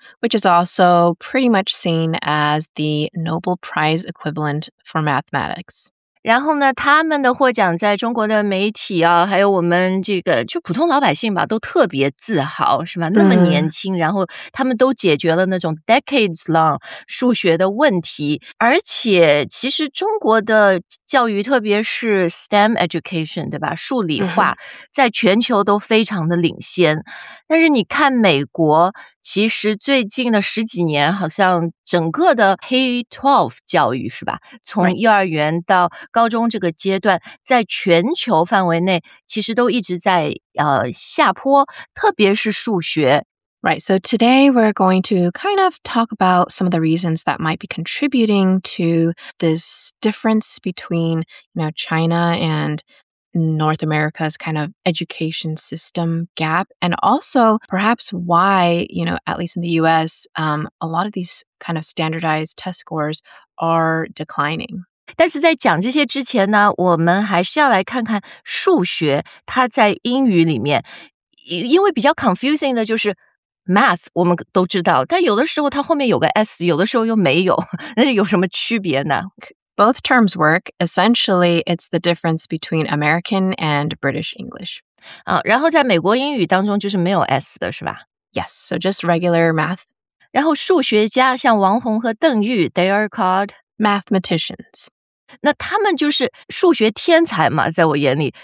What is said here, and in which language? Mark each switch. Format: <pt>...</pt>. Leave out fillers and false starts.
<en>Which is also pretty much seen as the Nobel Prize equivalent for mathematics.</en> <zh>然后呢，他们的获奖在中国的媒体啊，还有我们这个就普通老百姓吧，都特别自豪，是吧？那么年轻，然后他们都解决了那种</zh> <en>decades long</en> <zh>数学的问题。而且，其实中国的教育，特别是 STEM education， 对吧？数理化在全球都非常的领先。但是你看美国。其实最近的十几年好像整个的 K-12 教育是吧从幼儿园到高中这个阶段在全球范围内其实都一直在下坡特别是数学。</zh> <en>Right, so today we're going to kind of talk about some of the reasons that might be contributing to this difference between, you know, China andNorth America's kind of education system gap, and also perhaps why, you know, at least in the US, a lot of these kind of standardized test scores are declining.</en> <zh>但是在讲这些之前呢，我们还是要来看看数学它在英语里面，因为比较 confusing 的就是 math 我们都知道，但有的时候它后面有个 s， 有的时候又没有，那有什么区别呢？</zh> <en>Both terms work. Essentially, it's the difference between American and British English.</en> <zh>然后在美国英语当中就是没有 S 的是吧</zh> <en>？Yes, so just regular math.</en> <zh>然后数学家像王红和邓玉</zh> <en>they are called mathematicians.</en> <zh>那他们就是数学天才嘛，在我眼里。</zh>